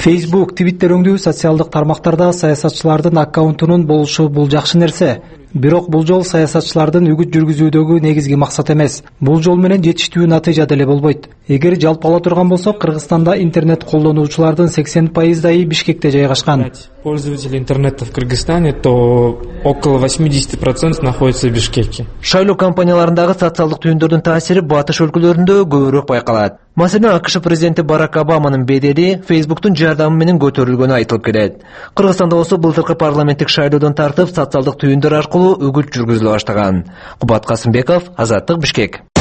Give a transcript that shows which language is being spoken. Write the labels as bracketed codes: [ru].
[ky] Facebook, Twitter өңдүү социалдык тармактарда саясатчылардын аккаунтунун болушу бул жакшы нерсе. Бирок бул жол саясатчылардын үгүт жүргүзүүдөгү негизги максат эмес. Бул жол менен жетиштүү натыйжа деле болбойт. Эгер жалпы ала турган болсок, Кыргызстанда интернет колдонуучулардын 80%дайы Бишкекте жайгашкан. [ru] Пользователи интернета в Кыргызстане, то около 80% находится в Бишкеке. [ky] Шайлоо компанияларындагы социалдык түйүндөрдүн таасири батыш өлкөлөрүндө көбүрөөк байкалат. Маселен, АКШ президенти Барак Обаманын бедели Facebook'тун жардамы менен көтөрүлгөнү айтылып келет. Кыргызстанда болсо былтыркы парламенттик шайлоодон тартып социалдык түйүндөр аркылуу үгүт жүргүзүлө баштаган. Кубат Касымбеков, Азаттык, Бишкек.